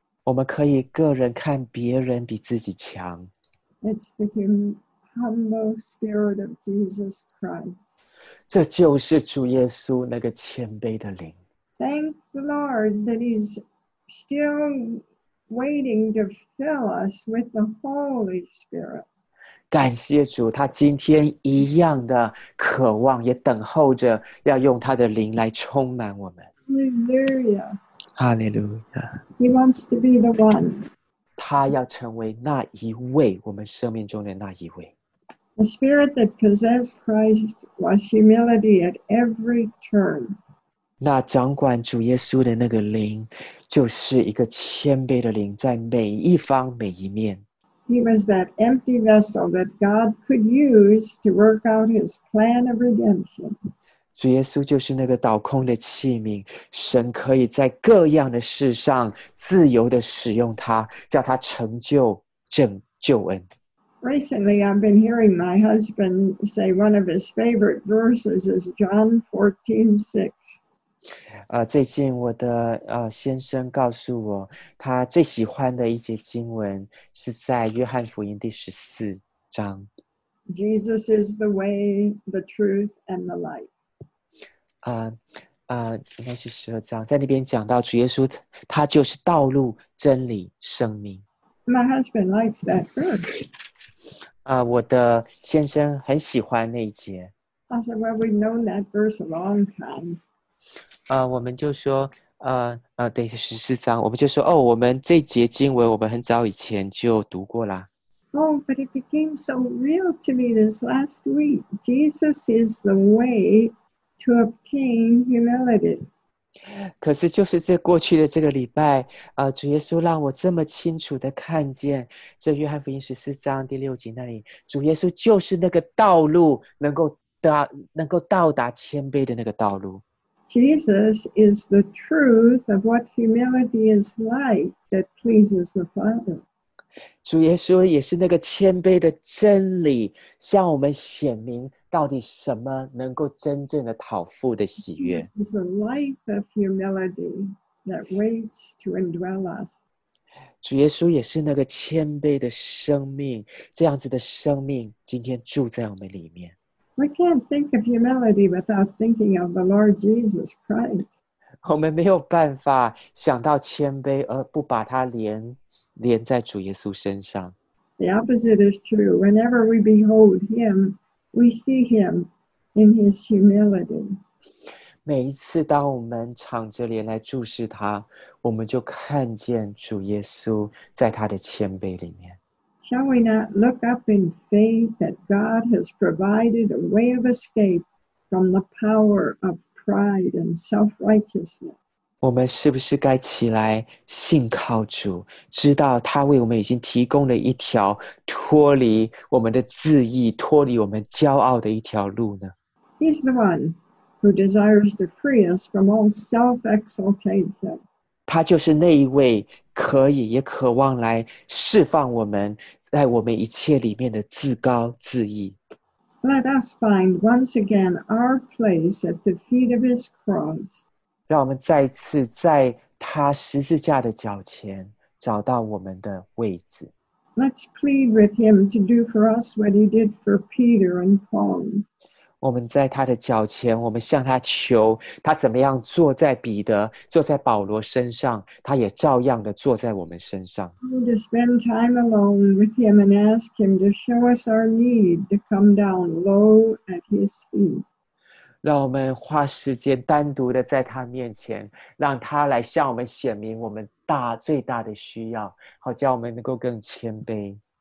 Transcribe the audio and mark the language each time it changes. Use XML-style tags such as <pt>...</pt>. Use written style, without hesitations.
<zh>我们可以个人看别人比自己强。</zh> <en>It's the humble spirit of Jesus Christ.</en> <zh>这就是主耶稣那个谦卑的灵。</zh> <en>Thank the Lord that he's still waiting to fill us with the Holy Spirit.</en> <zh>感谢主，他今天一样的渴望，也等候着要用他的灵来充满我们。</zh> <en>Hallelujah. Hallelujah. He wants to be the one.</en> <zh>他要成为那一位，我们生命中的那一位。</zh> <en>The spirit that possessed Christ was humility at every turn.</en> <zh>那掌管主耶稣的那个灵，就是一个谦卑的灵，在每一方每一面。</zh> <en>He was that empty vessel that God could use to work out his plan of redemption.</en> <zh>主耶稣就是那个倒空的器皿，神可以在各样的事上自由地使用他，叫他成就拯救恩。</zh> <en>Recently, I've been hearing my husband say one of his favorite verses is John 14:6.</en> <zh>最近我的先生告诉我，他最喜欢的一节经文是在约翰福音第十四章。</zh> <en>Jesus is the way, the truth, and the light.</en> <zh>应该是十二章，在那边讲到主耶稣，他就是道路、真理、生命。</zh> <en>My husband likes that verse.</en> <zh>我的先生很喜欢那一节。</zh> <en>I said, well, we've known that verse a long time.</en> <zh>我们就说，对，十四章，我们就说，哦，我们这节经文，我们很早以前就读过啦。</zh> <en>Oh, but it became so real to me this last week. Jesus is the way. To obtain humility.</en> <zh>可是就是这过去的这个礼拜，主耶稣让我这么清楚地看见，这约翰福音十四章第六节那里，主耶稣就是那个道路，能够到达谦卑的那个道路。</zh> <en>Jesus is the truth of what humility is like that pleases the Father.</en> <zh>主耶稣也是那个谦卑的真理，向我们显明到底什么能够真正的讨父的喜悦。</zh> <en>It's the life of humility that waits to indwell us.</en> <zh>主耶稣也是那个谦卑的生命，这样子的生命今天住在我们里面。</zh> <en>We can't think of humility without thinking of the Lord Jesus Christ.</en> <zh>我们没有办法想到谦卑而不把它连在主耶稣身上。</zh> <en>The opposite is true. Whenever we behold him,We see him in his humility.</en> <zh>每一次当我们敞着脸来注视他，我们就看见主耶稣在他的谦卑里面。</zh> <en>Shall we not look up in faith that God has provided a way of escape from the power of pride and self-righteousness?</en> <zh>我们是不是该起来信靠主，知道他为我们已经提供了一条脱离我们的自义、脱离我们骄傲的一条路呢？</zh> <en>He's the one who desires to free us from all self-exaltation.</en> <zh>他就是那一位可以也渴望来释放我们在我们一切里面的自高自义。</zh> <en>Let us find once again our place at the feet of his cross.</en> <zh>让我们再次在他十字架的脚前找到我们的位置。</zh> <en>Let's plead with him to do for us what he did for Peter and Paul.</en> <zh>我们在他的脚前，我们向他求他怎么样坐在彼得、坐在保罗身上，他也照样的坐在我们身上。</zh> <en>We need to spend time alone with him and ask him to show us our need to come down low at his feet.</en> <zh>让我们花时间单独的在他面前，让他来向我们显明我们大最大的需要，好叫我们能够更谦卑。</zh>